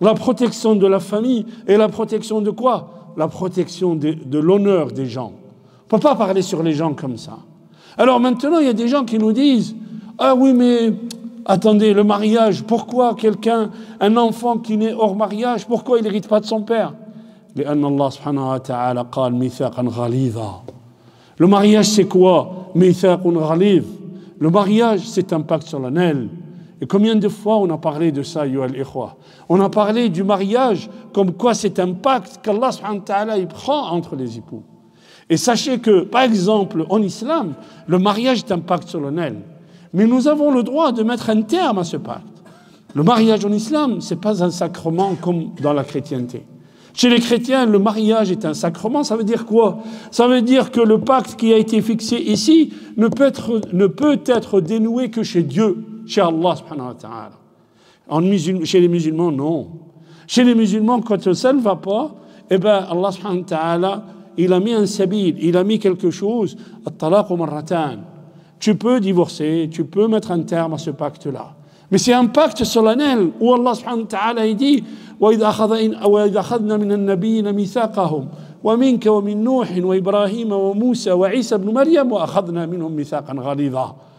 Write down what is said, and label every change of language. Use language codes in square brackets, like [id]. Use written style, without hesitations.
[fr] La protection de la famille et la protection de quoi ? La protection de l'honneur des gens. On ne peut pas parler sur les gens comme ça. Alors maintenant, il y a des gens qui nous disent « ah oui, mais attendez, le mariage, pourquoi quelqu'un, un enfant qui naît hors mariage, pourquoi il n'hérite pas de son père ?» [ar] لأن الله سبحانه وتعالى قال ميثاقا غليظا. [fr] Le mariage c'est quoi? [ar] ميثاق غليظ. [fr] Le mariage c'est un pacte solennel. Et combien de fois on a parlé de ça, yo al-ikhwa? On a parlé du mariage comme quoi c'est un pacte qu'Allah سبحانه وتعالى il prend entre les époux. Et sachez que, par exemple, en islam, le mariage est un pacte solennel. Mais nous avons le droit de mettre un terme à ce pacte. Le mariage en islam c'est pas un sacrement comme dans la chrétienté. Chez les chrétiens, le mariage est un sacrement. Ça veut dire quoi ? Ça veut dire que le pacte qui a été fixé ici ne peut être dénoué que chez Dieu, chez Allah subhanahu wa ta'ala. Chez les musulmans, non. Chez les musulmans, quand ça ne va pas, eh ben Allah subhanahu wa ta'ala, il a mis un sabil, il a mis quelque chose, [ar] at-talaq marratan. [fr] Tu peux divorcer, tu peux mettre un terme à ce pacte-là. Mais c'est un pacte solennel où Allah subhanahu wa ta'ala il dit [ar] وَإِذْ أَخَذْنَا مِنَ النَّبِيِّينَ مِيثَاقَهُمْ وَمِنْكَ وَمِنْ نُوحٍ وَإِبْرَاهِيمَ وَمُوسَى وَعِيسَى ابْنُ مَرْيَمَ وَأَخَذْنَا مِنْهُمْ مِيثَاقًا غَلِيظًا.